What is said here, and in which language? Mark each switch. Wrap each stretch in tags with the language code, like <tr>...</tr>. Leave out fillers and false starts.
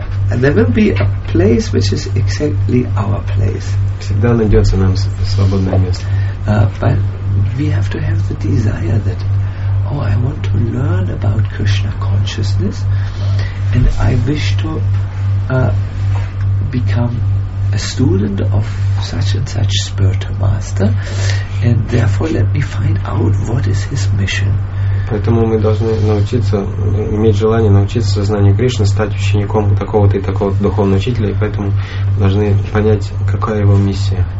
<en>And there will be a place which is exactly our place.</en> <ru>Всегда найдется нам свободное место.</ru> <en>But we have to have the desire that, I want to learn about Krishna consciousness, and I wish to become a student of such and such spiritual master, and therefore let me find out what is his mission.</en> <ru>Поэтому мы должны научиться, иметь желание научиться сознанию Кришны, стать учеником такого-то и такого-то духовного учителя, и поэтому должны понять, какая его миссия.</ru>